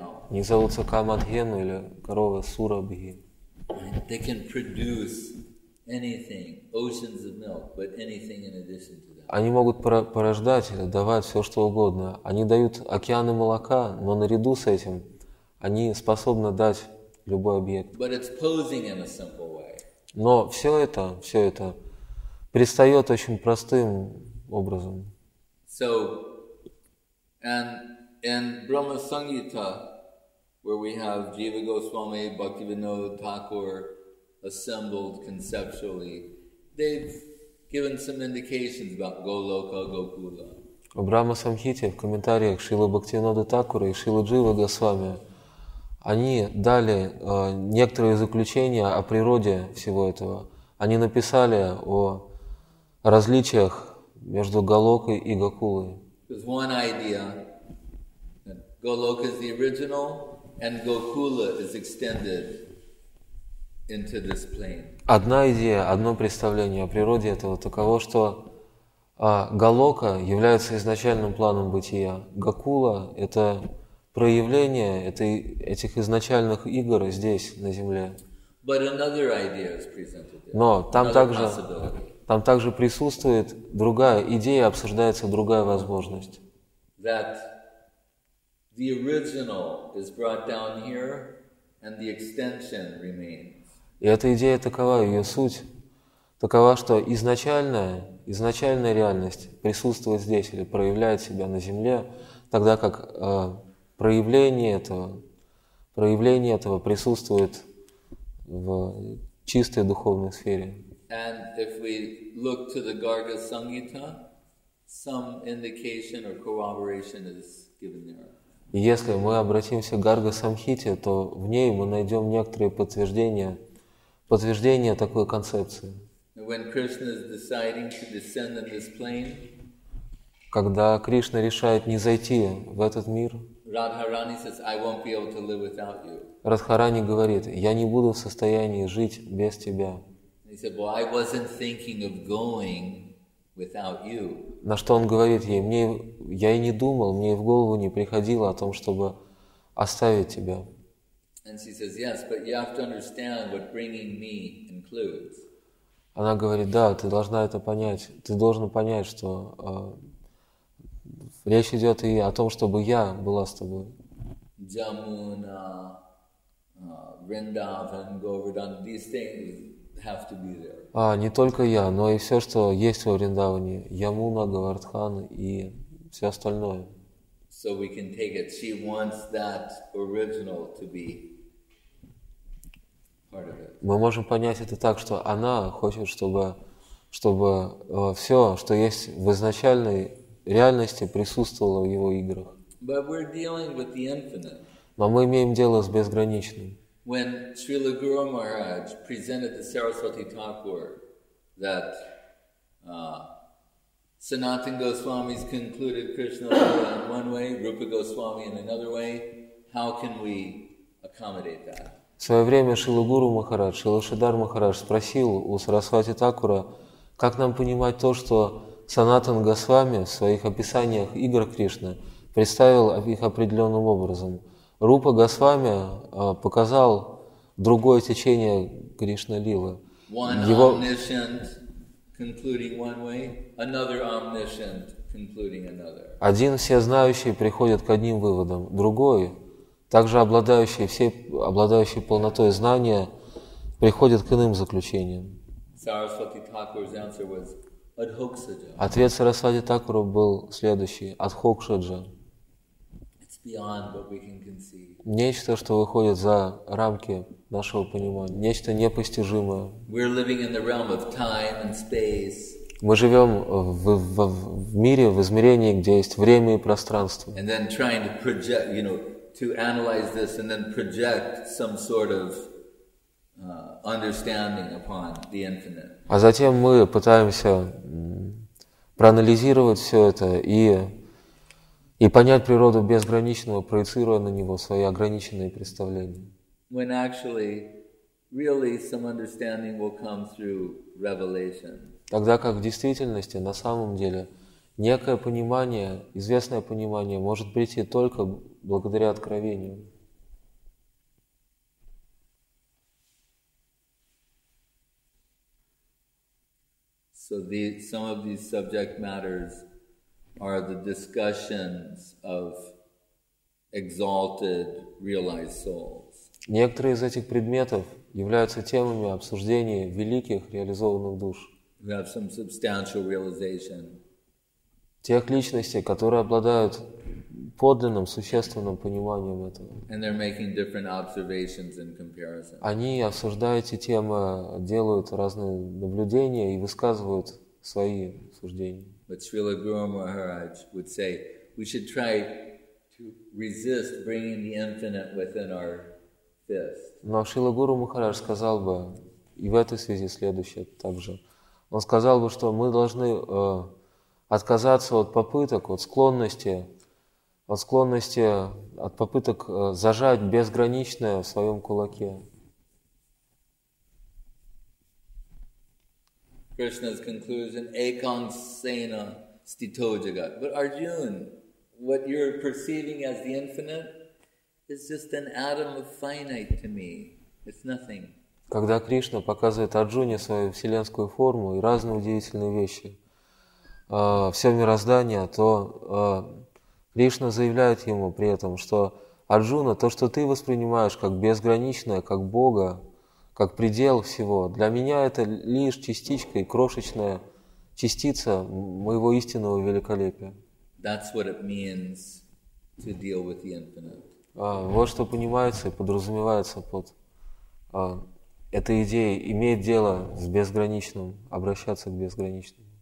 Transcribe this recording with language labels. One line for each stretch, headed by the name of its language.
Russian: Не зовут Камадхен или корова Сурабхи.
English: They can produce anything, oceans of milk, but anything in addition to that.
Russian: Они могут порождать или давать все, что угодно. Они дают океаны молока, но наряду с этим они способны дать любой объект.
English: But it's posing in a simple way.
Russian: Но все это предстает очень простым образом.
English: So, and in Brahma Sangita, where we have Jiva Goswami, Bhaktivinoda Thakur assembled conceptually, they've given some indications about Goloka, Gokula.
Russian: В Брахма Самхите, в комментариях Шрилы Бхактивинода Такура и Шрилы Джива Госвами, они дали некоторые заключения о природе всего этого. Они написали о различиях между Голокой и Гокулой.
English: There's one idea. Goloka is the original, and Gokula is extended into this plane.
Russian: Одна идея, одно представление о природе этого таково, что Голока является изначальным планом бытия. Гокула – это проявление этих изначальных игр здесь, на Земле.
English: But another idea is presented there.
Russian: Но там также присутствует другая идея, обсуждается другая возможность.
English: That the original is brought down here, and the extension remains.
Russian: И эта идея такова, ее суть такова, что изначальная реальность присутствует здесь или проявляет себя на Земле, тогда как проявление этого присутствует в чистой духовной сфере.
English: And if we look to the Garga Sangita, some indication or corroboration is given there.
Russian: Если мы обратимся к Гарга Самхите, то в ней мы найдем некоторые подтверждения такой концепции.
English: When Krishna is deciding to descend on this plane,
Russian: когда Кришна решает не зайти в этот мир, Радхарани says, I won't be able to live without you. Радхарани говорит, я не буду в состоянии жить без тебя.
English: He said, well, I wasn't thinking of going without you.
Russian: На что он говорит ей, я и не думал, мне и в голову не приходило о том, чтобы оставить тебя.
English: And she says, yes, but you have to understand what bringing me includes.
Russian: Она говорит, да, ты должна это понять, ты должен понять, что речь идет и о том, чтобы я была с тобой.
English: Jamuna, Vrindavan, Govardhan, these things have to be there.
Russian: А не только я, но и все, что есть во Вриндаване, Ямуна, Говардхан и все остальное.
English: So we can take it. She wants that original to be part of it.
Russian: Мы можем понять это так, что она хочет, чтобы все, что есть в изначальной реальности, присутствовало в его играх.
English: But we're dealing with the infinite.
Russian: Но мы имеем дело с безграничным.
English: When Srila Guru Maharaj presented the Saraswati Thakur that Sanatana Goswami's concluded Krishna in one way, Rupa Goswami in another way, how can we accommodate that?
Russian: В свое время Шрила Гуру Махарадж, Шрила Шридхар Махарадж спросил у Сарасвати Такура, как нам понимать то, что Санатан Госвами в своих описаниях игр Кришны представил их определенным образом. Рупа Госвами показал другое течение Кришна Лилы. Его
English: omniscient concluding one way, another omniscient concluding another.
Russian: Один всезнающий приходит к одним выводам, другой, также обладающий полнотой знания, приходит к иным заключениям.
English: Saraswati Thakur's answer was Adhokshaja.
Russian: Ответ Сарасвати Такура был следующий: Адхокшаджа.
English: Beyond what we can conceive.
Russian: Нечто, что выходит за рамки нашего понимания, нечто непостижимое.
English: We're living in the realm of time and space.
Russian: Мы живем в мире, в измерении, где есть время и пространство.
English: And then trying to project, you know, to analyze this and then project some sort of understanding upon the infinite.
Russian: А затем мы пытаемся проанализировать все это и понять природу безграничного, проецируя на него свои ограниченные представления.
English: When actually, really some understanding will come through revelation.
Russian: Тогда как в действительности, на самом деле, некое понимание, известное понимание может прийти только благодаря откровению.
English: So some of these subject matters are the discussions of exalted realized souls.
Russian: Некоторые из этих предметов являются темами обсуждения великих реализованных душ.
English: We have some substantial realization.
Russian: Тех личностей, которые обладают подлинным, существенным пониманием этого.
English: And they're making different observations and comparisons.
Russian: Они, обсуждая эти темы, делают разные наблюдения и высказывают свои суждения.
English: But Srila Guru Maharaj would say, we should try to resist bringing the infinite within our fist.
Russian: Но Шрила Гуру Махарадж сказал бы, и в этой связи следующее также, он сказал бы, что мы должны отказаться от попыток, от склонности, от попыток зажать безграничное в своем кулаке.
English: Krishna's conclusion,
Sanskrit: ekam sena stito jagat.
English: But Arjun, what you're perceiving as the infinite is just an atom of finite to me. It's nothing.
Russian: Когда Кришна показывает Арджуне свою вселенскую форму и разные удивительные вещи, все мироздание, то Кришна заявляет ему при этом, что Арджуна, то, что ты воспринимаешь как безграничное, как Бога, как предел всего, для меня это лишь частичка и крошечная частица моего истинного великолепия.
English: That's what it means to deal with the infinite.
Russian: Вот что понимается и подразумевается под этой идеей, иметь дело с безграничным, обращаться к безграничным.